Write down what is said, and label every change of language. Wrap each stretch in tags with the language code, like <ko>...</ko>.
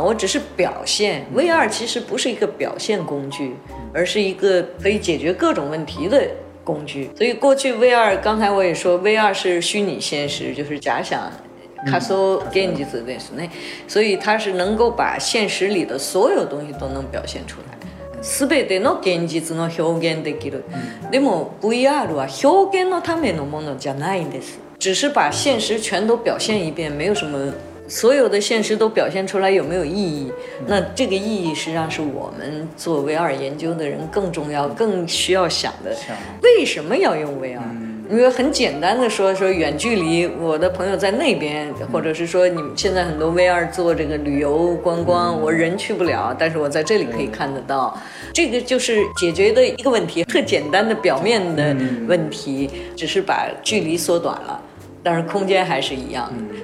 <zh>我只是表现 VR 其实不是一个表现工具，而是一个可以解决各种问题的工具。所以过去 VR， 刚才我也说 VR 是虚拟现实，就是假想卡索电机子的，所以它是能够把现实里的所有东西都能表现出来，</zh> <ja>全ての現実の表現できる。でも VR は表現のためのものじゃないんです。</ja> <zh>只是把现实全都表现一遍，没有什么，所有的现实都表现出来有没有意义？那这个意义实际上是我们做 VR 研究的人更重要，更需要想的。为什么要用 VR？ 因为很简单的说，说远距离，我的朋友在那边，或者是说你们现在很多 VR 做这个旅游观光，我人去不了，但是我在这里可以看得到，这个就是解决的一个问题，特简单的表面的问题，只是把距离缩短了，但是空间还是一样的。</zh>